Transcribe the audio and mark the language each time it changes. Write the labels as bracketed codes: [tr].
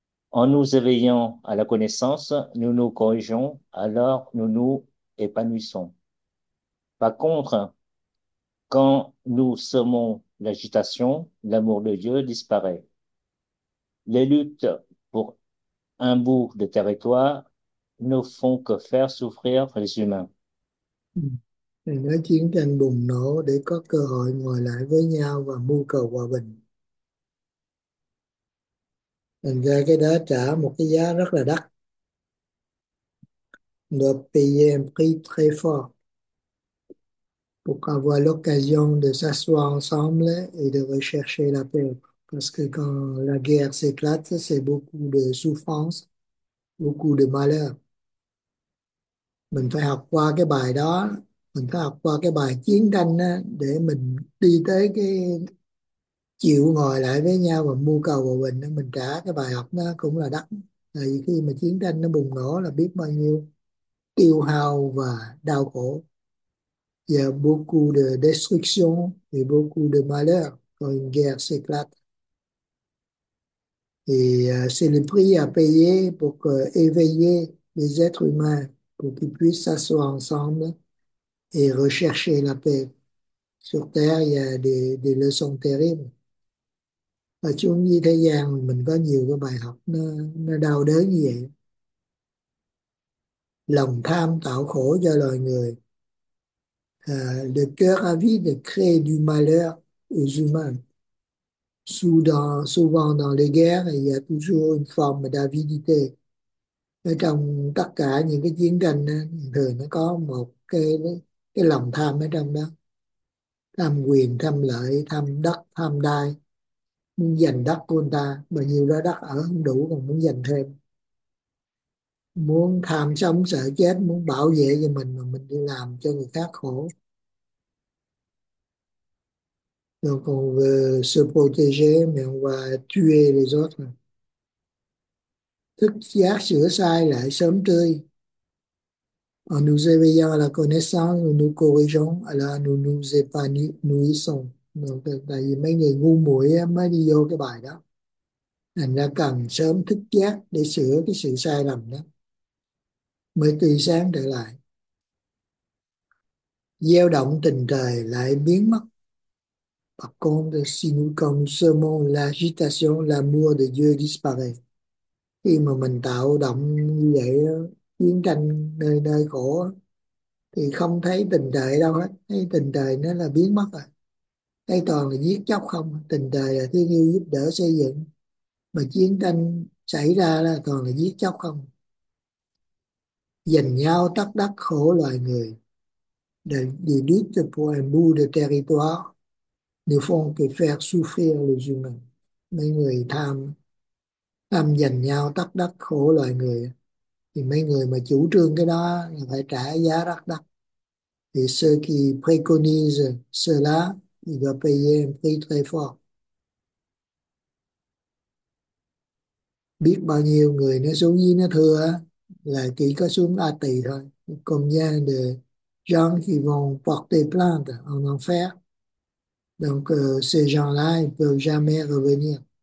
[fr] En nous éveillant à la connaissance, nous nous corrigeons, alors nous nous épanouissons. Par contre, quand nous semons l'agitation, l'amour de Dieu disparaît. Les luttes pour un bout de territoire ne font que faire souffrir les humains. [vi] Nói chiến tranh bùng nổ để có cơ hội ngồi lại với nhau và mưu cầu hòa bình. Thành ra cái đó trả một cái giá rất là đắt. [fr] Le PM prie très fort pour avoir l'occasion de s'asseoir ensemble et de rechercher la paix. Parce que quand la guerre s'éclate, c'est beaucoup de souffrance, beaucoup de malheur. [vi] Mình phải học qua cái bài đó, mình phải học qua cái bài chiến tranh á, để mình đi tới cái chịu ngồi lại với nhau và mưu cầu hòa bình á, mình trả cái bài học nó cũng là đắt. Tại vì khi mà chiến tranh nó bùng nổ là biết bao nhiêu tiêu hao và đau khổ. [fr] Il y a beaucoup de destruction et beaucoup de malheur quand une guerre s'éclate. Et c'est le prix à payer pour éveiller les êtres humains pour qu'ils puissent s'asseoir ensemble et rechercher la paix. Sur Terre, il y a des leçons terribles. [vi] Và xuống như thế gian, mình có nhiều cái bài học nó đau đớn như vậy. Lòng tham tạo khổ cho loài người. [fr] Le cœur avide crée du malheur aux humains. Souvent dans les guerres, il y a toujours une forme d'avidité. [vi] Ở trong tất cả những cái chiến tranh thường nó có một cái lòng tham ở trong đó, tham quyền, tham lợi, tham đất, tham đai, muốn giành đất của người ta, bao nhiêu đó đất ở không đủ còn muốn giành thêm, muốn tham sống sợ chết, muốn bảo vệ cho mình mà mình đi làm cho người khác khổ, [fr] donc on veut se protéger mais on va tuer les autres. [vi] Thức giác sửa sai lại sớm tươi. [fr] En nous éveillant à la connaissance, nous nous corrigeons, alors nous nous épanouissons. [vi] Donc, tại vì mấy người ngu muội mới đi vô cái bài đó. Thành ra cần sớm thức giác để sửa cái sự sai lầm đó. Mới tươi sáng trở lại. Gieo động tình trời lại biến mất. [fr] Par contre, si nous, quand nous semons l'agitation, l'amour de Dieu disparaît. [vi] Khi mà mình tạo động như vậy, chiến tranh nơi nơi khổ, thì không thấy tình đời đâu hết. Thấy tình đời nó là biến mất rồi. Thấy toàn là giết chóc không. Tình đời là thương yêu giúp đỡ xây dựng. Mà chiến tranh xảy ra là toàn là giết chóc không. Giành nhau tất đất khổ loài người. [en] The beautiful and [fr] bout de territoire nous font que faire souffrir les humains. [vi] Mấy người tham tham giành nhau tất đất khổ loài người, thì mấy người mà chủ trương cái đó là phải trả giá rất đắt. [fr] Thì ceux qui préconisent cela, ils doivent payer un prix très fort. [vi] Biết bao nhiêu người nó xuống dưới nó thưa là chỉ có xuống A Tỳ thôi. [fr] Combien de gens qui vont porter plainte en enfer. Donc, ces gens-là, ils ne peuvent jamais revenir.